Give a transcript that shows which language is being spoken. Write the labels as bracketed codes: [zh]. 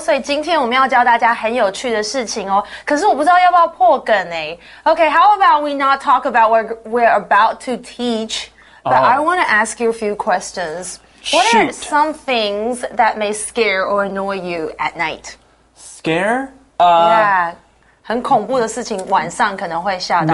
[zh] 所以今天我们要教大家很有趣的事情哦。可是我不知道要不要破梗诶。 [en] Okay, how about we not talk about what we're about to teach, but I want to ask you a few questions. Shoot. What are some things that may scare or annoy you at night? Scare? Yeah. [zh] 很恐怖的事情晚上可能会吓到